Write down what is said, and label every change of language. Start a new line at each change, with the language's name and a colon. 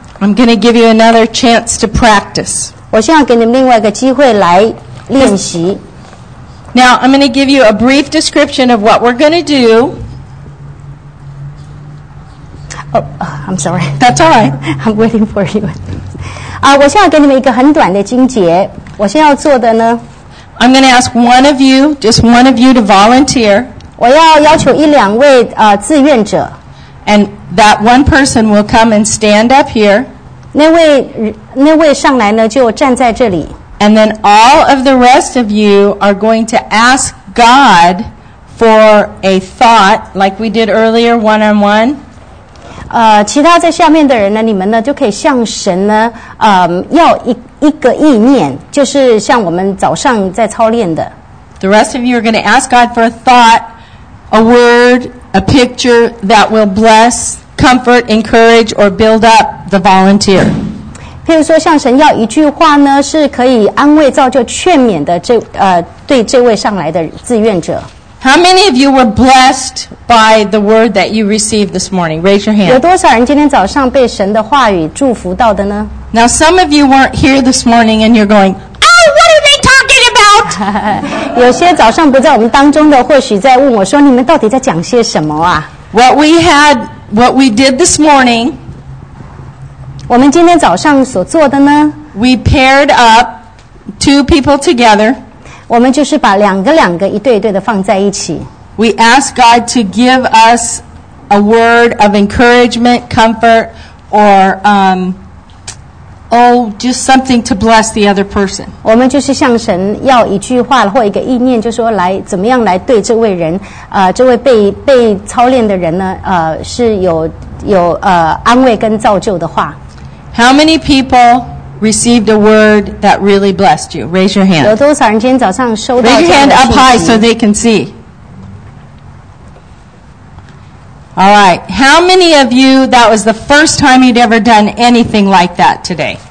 English: I'm going to give you another chance to practice.
Chinese: 我现在给你们另外一个机会来练习。
English: Now I'm going to give you a brief description of what we're going to do. Oh, I'm sorry. That's all right. I'm waiting for you.
Chinese: 我现在给你们一个很短的经节。我现在要做的呢。
English: I'm going to ask one of you, just one of you, to volunteer.
Chinese: 我要要求一两位志愿者。
English: And that one person will come and stand up here.
Chinese: 那位上来呢，就站在这里。
English: And then all of the rest of you are going to ask God for a thought, like we did earlier, one on one.
Chinese: 其他在下面的人呢，你们呢就可以向神呢，要一个意念，就是像我们早上在操练的。
English: The rest of you are going to ask God for a thought, a word, a picture that will bless, comfort, encourage, or build up the volunteer.
Chinese: 譬如说，向神要一句话呢，是可以安慰、造就、劝勉的这对这位上来的志愿者。
English: How many of you were blessed by the word that you received this morning? Raise your hand.
Chinese: 有多少人今天早上被神的话语祝福到的呢？
English: Now some of you weren't here this morning and you're going, Oh, what are they talking about?
Chinese: 有些早上不在我们当中的或许在问我说你们到底在讲些什么啊？
English: What we did this morning,
Chinese: 我们今天早上所做的呢？
English: We paired up two people together.
Chinese: 我们就是把两个两个一对一对的放在一起。
English: We ask God to give us a word of encouragement, comfort, or just something to bless the other person.
Chinese: 我们就是向神要一句话或一个意念，就说来怎么样来对这位人，这位被操练的人呢，是有安慰跟造就的话。
English: How many people? Received a word that really blessed you. Raise your hand.
Chinese: 有多少人今天早上收到这样的信息?
English: Raise your hand up high so they can see. All right. How many of you, that was the first time you'd ever done anything like that today?